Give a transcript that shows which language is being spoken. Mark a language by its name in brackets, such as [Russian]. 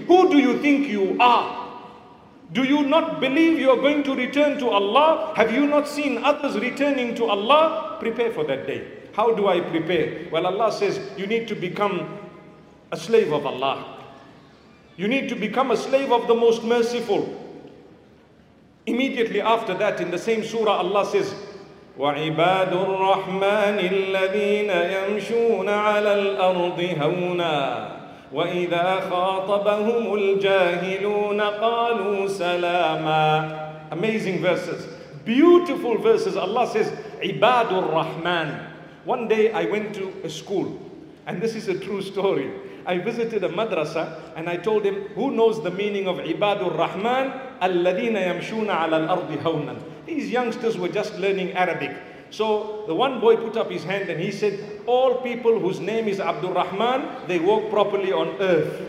[English] Who do you think you are? Do you not believe you are going to return to Allah? Have you not seen others returning to Allah? Prepare for that day. How do I prepare? Well, Allah says you need to become a slave of Allah. You need to become a slave of the Most Merciful. [Arabic] Immediately after that, in the same surah, Allah says, وَعِبَادُ الرَّحْمَنِ الَّذِينَ يَمْشُونَ عَلَى الْأَرْضِ هَوْنًا وَإِذَا خَاطَبَهُمُ الْجَاهِلُونَ قَالُوا سَلَامًا. [English] Amazing verses. Beautiful verses. Allah says, عِبَادُ الرَّحْمَنِ. One day I went to a school, and this is a true story. I visited a madrasa and I told him, who knows the meaning of عِبَادُ الرَّحْمَنِ الَّذِينَ يَمْشُونَ عَلَى الْأَرْضِ هَوْنًا. These youngsters were just learning Arabic. So the one boy put up his hand and he said, all people whose name is Abdul Rahman, they walk properly on earth.